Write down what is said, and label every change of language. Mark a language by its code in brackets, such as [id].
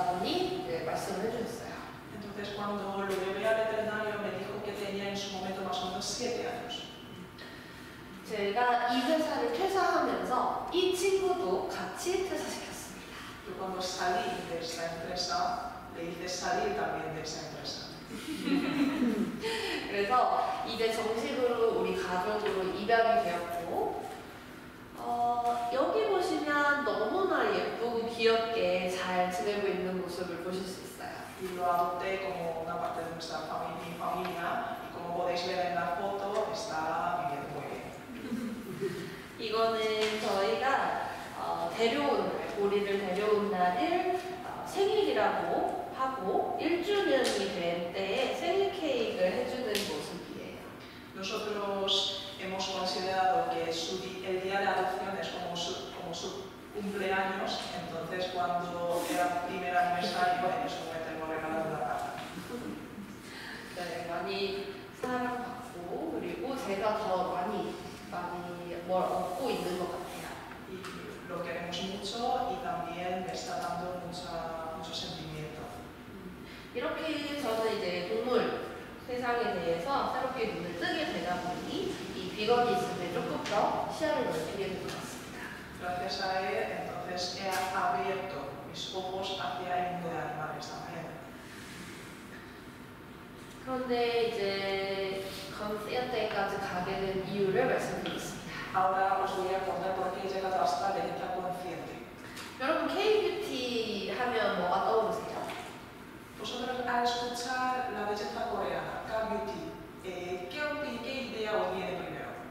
[es] Entonces cuando lo llevé al veterinario me dijo que tenía en su momento más o menos 7 años. [ko] 제가 이 회사를 퇴사하면서 이 친구도 같이 퇴사시켰습니다. [es] Yo cuando salí de esta empresa le hice salir también de esa empresa. [ko] 그래서 이제 정식으로 우리 가족으로 입양이 되었고 여기 보시면 너무나 예쁘고 귀엽게 잘 지내고 있는 모습을 보실 수 있어요. [es] Y lo adopté como una parte de nuestra familia, mi familia. Y como podéis ver en la foto, está viviendo muy bien. [ko] 이거는 저희가 데려온 우리를 데려온 날을 생일이라고 하고 1주년이 된 때에 생일 케이크를 해주는 모습이에요. [es] Nosotros hemos considerado que el día de adopción es como su cumpleaños, entonces cuando era primer aniversario en ese momento hemos regalado una carta. [ko] 네, 많이 사랑받고 그리고 제가 더 많이 뭘 얻고 있는 것 같아요. [es] Y lo queremos mucho y también me está dando mucho sentimiento. [ko] 이렇게 저는 이제 동물 세상에 대해서 새롭게 눈을 뜨게 되다 보니 이 비건이 있을 때 조금 더 시야를 넓히게 된 것 같습니다. [es] Gracias a él, entonces he abierto mis ojos hacia el mundo de animales también. [ko] 그런데 이제 컨시언트에까지 가게 된 이유를 말씀드리겠습니다. [es] Ahora os voy a contar por qué he llegado hasta la etapa consciente. [ko] 여러분, K-Beauty 하면 뭐가 떠오르세요? [es] Vosotros al escuchar la belleza coreana, K-Beauty, ¿qué idea os viene primero?